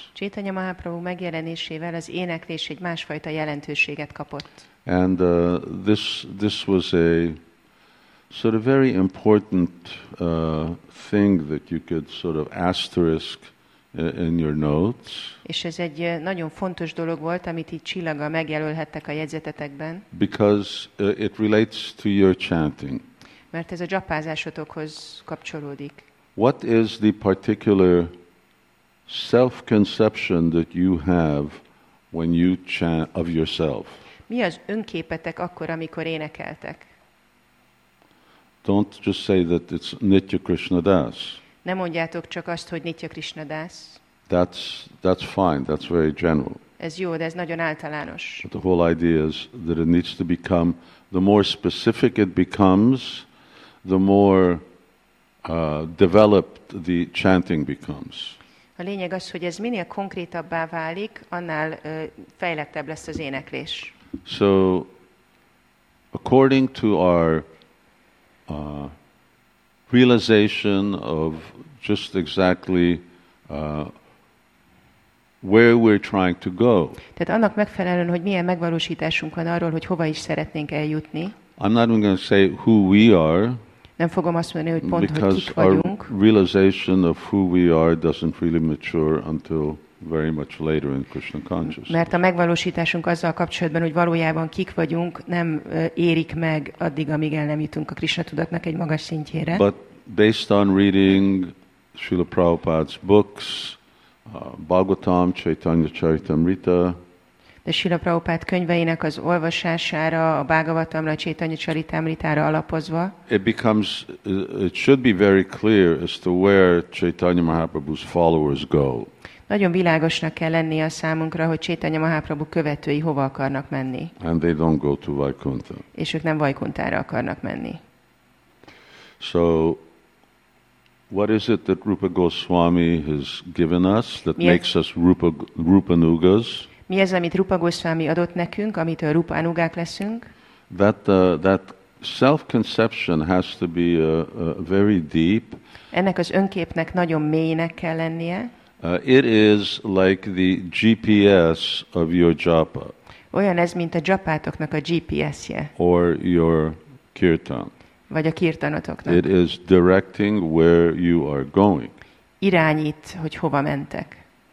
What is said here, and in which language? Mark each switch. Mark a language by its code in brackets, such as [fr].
[hu] Chaitanya Mahaprabhu megjelenésével az éneklés egy másfajta jelentőséget kapott. [en] And this was a sort of very important thing that you could sort of asterisk in your notes. [hu] És ez egy nagyon fontos dolog volt, amit itt csillaggal megjelölhettek a jegyzetetekben. [en] Because it relates to your chanting. [hu] Mert ez a japázásotokhoz kapcsolódik. [en] What is the particular self-conception that you have when you chant of yourself? [hu] Mi az önképetek akkor, amikor énekeltek? [en] Don't just say that it's Nitya Krishna Das. [hu] Nem mondjátok csak azt, hogy Nitya Krishna Das. [en] That's fine. That's very general. [hu] Ez jó, de ez nagyon általános. [en] But the whole idea is that it needs to become, the more specific it becomes, the more developed the chanting becomes. [hu] A lényeg az, hogy ez minél konkrétabbá válik, annál fejlettebb lesz az éneklés. [en] So, according to our realization of just exactly where we're trying to go. [hu] Tehát annak megfelelően, hogy milyen megvalósításunk van arról, hogy hova is szeretnénk eljutni. [en] I'm not even going to say who we are. [hu] Nem fogom azt mondani, hogy pont, hogy kik vagyunk. [en] Because our realization of who we are doesn't really mature until very much later in Krishna consciousness. [hu] Mert a megvalósításunk azzal kapcsolatban, hogy valójában kik vagyunk, nem érik meg addig, amíg el nem jutunk a Krishna tudatnak egy magas szintjére. [en] But based on reading Srila Prabhupada's books, Bhagavatam, Chaitanya Charitamrita. [hu] De Srila Prabhupád könyveinek az olvasására, a Bhagavatamra, a Chaitanya Charitamritára alapozva. [en] It should be very clear as to where Chaitanya Mahaprabhu's followers go. [hu] Nagyon világosnak kell lennie a számunkra, hogy Chaitanya Mahaprabhu követői hova akarnak menni. [en] And they don't go to Vaikuntha. [hu] És ők nem Vaikunthára akarnak menni. [en] So, what is it that Rupa Goswami has given us that makes us Rupanugas? [hu] Mi az, amit Rupa Goswami adott nekünk, amit a Rupanugák leszünk? [en] That self-conception has to be very deep. [hu] Ennek az önképnek nagyon mélynek kell lennie. [en] It is like the GPS of your japa. [hu] Olyan ez, mint a japátoknak a GPS-je. [en] Or your kirtan. [hu] Vagy a kirtanotoknak. [en] It is directing where you are going. [hu] Irányít, hogy hova mentek.